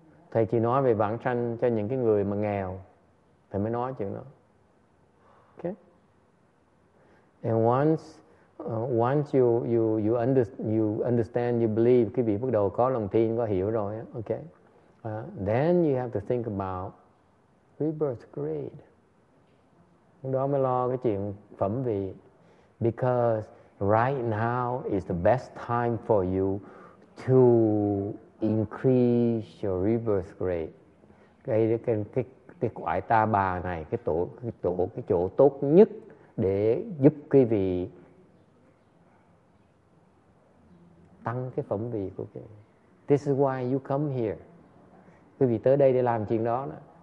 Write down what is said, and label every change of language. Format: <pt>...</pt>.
<vi>Thầy chỉ nói về vãng sanh cho những cái người mà nghèo. thầy mới nói chuyện đó. Okay.</vi> <en>And once you understand, you believe,</en> <vi>quý vị bắt đầu có lòng tin, có hiểu rồi, okay.</vi> <en>Then you have to think about rebirth grade.</en> <vi>Đó mới lo cái chuyện phẩm vị.</vi> <en>Because right now is the best time for you to increase your rebirth grade.</en> <vi>Cái quải ta bà này, cái chỗ tốt nhất để giúp quý vị tăng cái phẩm vị của quý vị.</vi> <en>This is why you come here.</en> <vi>Quý vị tới đây để làm chuyện đó đó.</vi>